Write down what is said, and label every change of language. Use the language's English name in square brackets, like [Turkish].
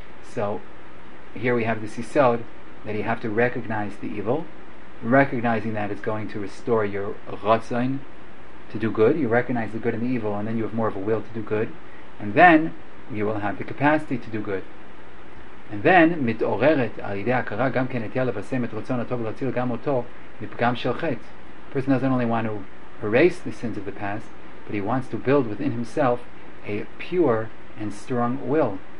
[English] So here we have this yisod that you have to recognize the evil. Recognizing that is going to restore your rotzon to do good. You recognize the good and the evil, and then you have more of a will to do good, and then you will have the capacity to do good. And then [Hebrew] מתעוררת על ידי הכרה גם כן נטייה לבשם את רצון הטוב ולהציל גם אותו מפגם של חטא. [English] The person doesn't only want to erase the sins of the past, but he wants to build within himself a pure and strong will.